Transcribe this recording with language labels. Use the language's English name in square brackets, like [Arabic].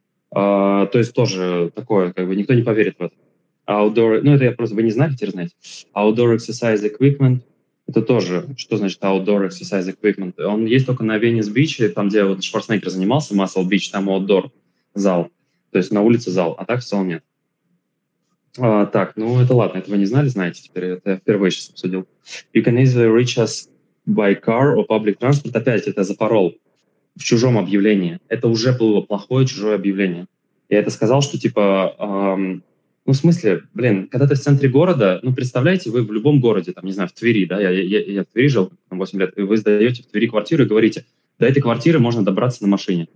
[Russian] То есть тоже такое, как бы никто не поверит в это. Outdoor, ну, это я просто, вы не знаете, теперь знаете. [English] Outdoor exercise equipment, [Russian] Это тоже, что значит [English] outdoor exercise equipment. [Russian] Он есть только на Venice Beach, там, где вот Шварценеггер занимался, Muscle Beach, там outdoor зал. То есть на улице зал, а так в салон нет. А, так, ну это ладно, этого не знали, знаете, теперь это я впервые сейчас обсудил. [English] You can easily reach us by car or public transport. [Russian] Опять это запорол в чужом объявлении. Это уже было плохое чужое объявление. Я это сказал, что типа... ну, в смысле, блин, когда ты в центре города, ну, представляете, вы в любом городе, там, не знаю, в Твери, да, я в Твери жил там, 8 лет, и вы сдаете в Твери квартиру и говорите, до этой квартиры можно добраться на машине.